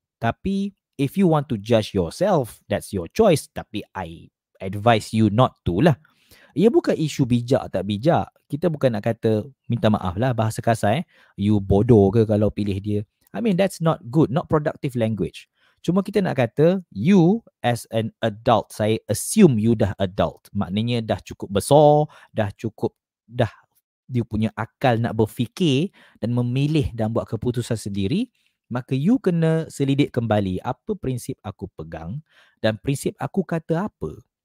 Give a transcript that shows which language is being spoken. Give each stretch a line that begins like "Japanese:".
English: Tapi if you want to judge yourself, that's your choice. Tapi I advise you not to lah.
Malay: Ia bukan isu bijak tak bijak. Kita bukan nak kata, minta maaf lah bahasa kasar, you bodoh ke kalau pilih dia.
English: I mean, that's not good, not productive language.
Malay: Cuma kita nak kata,
English: you as an adult, saya assume you dah adult.
Malay: Maknanya dah cukup besar, dah cukup, dah dia punya akal nak berfikir dan memilih dan buat keputusan sendiri. Maka you kena selidik kembali apa prinsip aku pegang dan prinsip aku kata apa.